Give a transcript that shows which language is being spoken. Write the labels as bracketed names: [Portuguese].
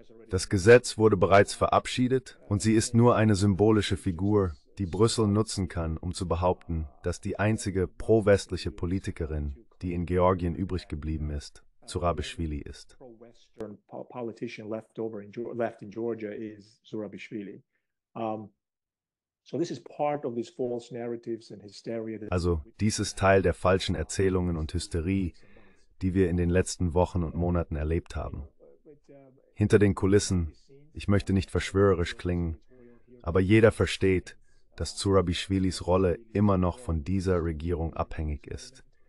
[German] Das Gesetz wurde bereits verabschiedet und sie ist nur eine symbolische Figur, die Brüssel nutzen kann, um zu behaupten, dass die einzige pro-westliche Politikerin, die in Georgien übrig geblieben ist, Zurabishvili ist. [English] Western politician left in Georgia is Zurabishvili. So this is part of these false narratives and hysteria. [German] Also, dies ist Teil der falschen Erzählungen und Hysterie, die wir in den letzten Wochen und Monaten erlebt haben. Hinter den Kulissen, ich möchte nicht verschwörerisch klingen, aber jeder versteht, dass Zurabishvilis Rolle immer noch von dieser Regierung abhängig ist.